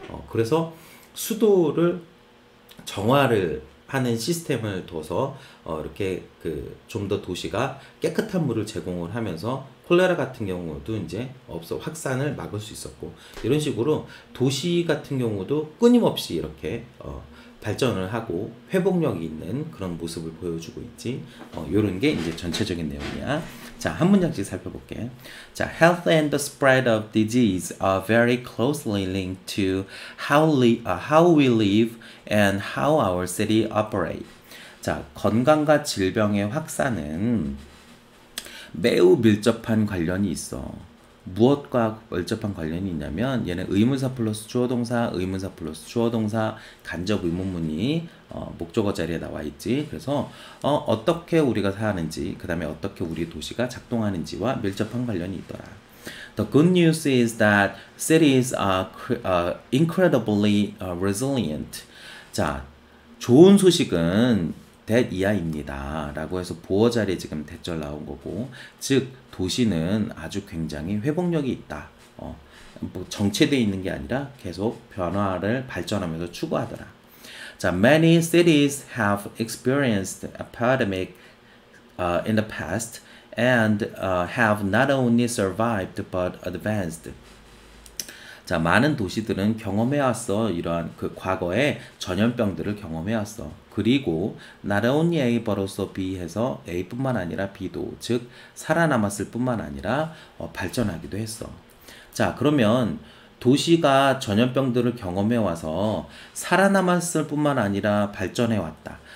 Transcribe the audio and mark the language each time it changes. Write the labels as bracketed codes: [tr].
[ko] 그래서 수도를 정화를 하는 시스템을 둬서 이렇게 그좀더 도시가 깨끗한 물을 제공을 하면서 콜레라 같은 경우도 이제 없어 확산을 막을 수 있었고, 이런 식으로 도시 같은 경우도 끊임없이 이렇게 발전을 하고 회복력이 있는 그런 모습을 보여주고 있지. 이런 게 이제 전체적인 내용이야. 자, 한 문장씩 살펴볼게. [en] 자, health and the spread of disease are very closely linked to how we live and how our city operate. [ko] 자, 건강과 질병의 확산은 매우 밀접한 관련이 있어. 무엇과 밀접한 관련이 있냐면, 얘는 의문사 플러스 주어 동사, 의문사 플러스 주어 동사, 간접 의문문이 목적어 자리에 나와 있지. 그래서 어떻게 우리가 사는지, 그다음에 어떻게 우리 도시가 작동하는지와 밀접한 관련이 있더라. [en] The good news is that cities are incredibly resilient. [ko] 자, 좋은 소식은 that 이하입니다 라고 해서 보어 자리에 지금 대절 나온 거고, 즉 도시는 아주 굉장히 회복력이 있다. 뭐 정체되어 있는 게 아니라 계속 변화를 발전하면서 추구하더라. [en] 자, many cities have experienced epidemic in the past and have not only survived but advanced. [ko] 자, 많은 도시들은 경험해왔어. 이러한 그 과거에 전염병들을 경험해왔어. 그리고 not only A버로서 B 해서 A뿐만 아니라 B도, 즉 살아남았을 뿐만 아니라 발전하기도 했어. 자, 그러면 도시가 전염병들을 경험해와서 살아남았을 뿐만 아니라 발전해왔다.